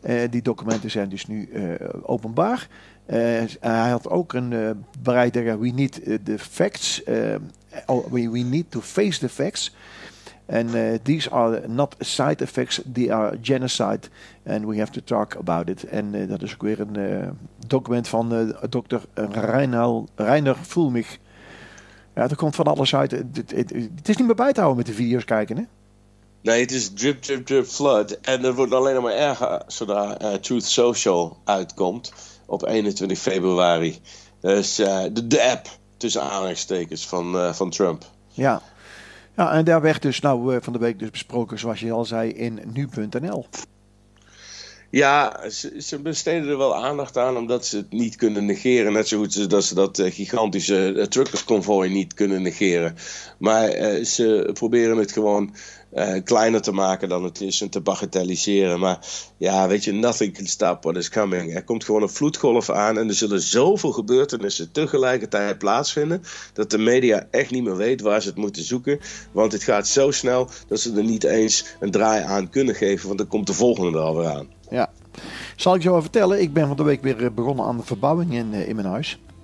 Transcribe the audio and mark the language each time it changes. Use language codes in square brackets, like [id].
[nl] Die documenten zijn dus nu openbaar. Hij had ook een bereid tegen, [en] we need the facts, [nl] we need to face the facts. [en] And these are not side effects, they are genocide. And we have to talk about it. [nl] En dat is ook weer een document van dokter Reiner Fulmig. Ja, er komt van alles uit. Het is niet meer bij te houden met de video's kijken, hè? Nee, het is [en] drip, drip, drip, flood. [nl] En het wordt alleen maar erger zodra Truth Social uitkomt op 21 februari. Dus de app tussen aanhalingstekens van Trump. Ja. Ja, en daar werd dus nou van de week dus besproken, zoals je al zei, in nu.nl. Ja, ze besteden er wel aandacht aan, omdat ze het niet kunnen negeren. Net zo goed dat ze dat gigantische truckersconvooi niet kunnen negeren. Maar ze proberen het gewoon kleiner te maken dan het is en te bagatelliseren. Maar ja, weet je, [en] nothing can stop what is coming. [nl] Er komt gewoon een vloedgolf aan en er zullen zoveel gebeurtenissen tegelijkertijd plaatsvinden dat de media echt niet meer weet waar ze het moeten zoeken. Want het gaat zo snel dat ze er niet eens een draai aan kunnen geven, want dan komt de volgende er alweer aan. Ja, zal ik je wel vertellen. Ik ben van de week weer begonnen aan de verbouwing in mijn huis.